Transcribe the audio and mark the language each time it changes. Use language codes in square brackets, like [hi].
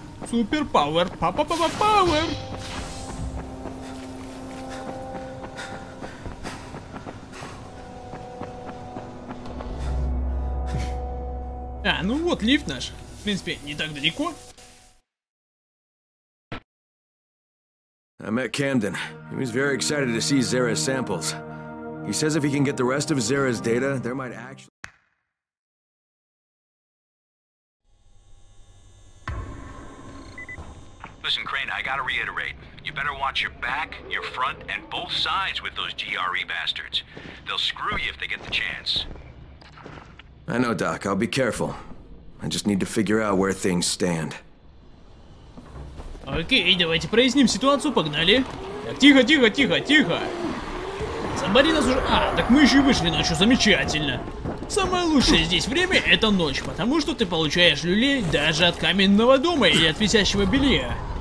[ru] Супер пауэр, па-па-па-па-пауэр! А, ну вот, лифт наш. В принципе, не так далеко. [en] I met Camden. He was very excited to see Zara's samples. He says if he can get the rest of Zara's data, there might actually... Listen, Crane, I gotta reiterate. You better watch your back, your front, and both sides with those GRE bastards. They'll screw you if they get the chance. I know, Doc. I'll be careful. I just need to figure out where things stand. [ru] Окей, давайте проясним ситуацию, погнали. Так, тихо. Забари нас уже... А, так мы еще и вышли ночью, замечательно. Самое лучшее здесь время — это ночь, потому что ты получаешь люлей даже от каменного дома или от висящего белья.